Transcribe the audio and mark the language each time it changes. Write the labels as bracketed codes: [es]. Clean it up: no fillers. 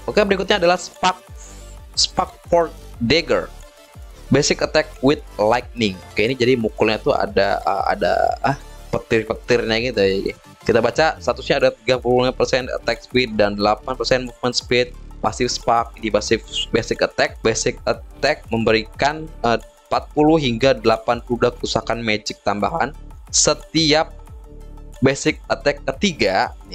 [id] Berikutnya adalah Sparkport Dagger. [en] Basic attack with lightning. [id] Ini jadi mukulnya tuh ada petir-petirnya gitu. Kita baca statusnya ada 35% attack speed dan 8% movement speed. Pasif spark di basic attack memberikan 40 hingga 80 kerusakan magic tambahan setiap basic attack ketiga.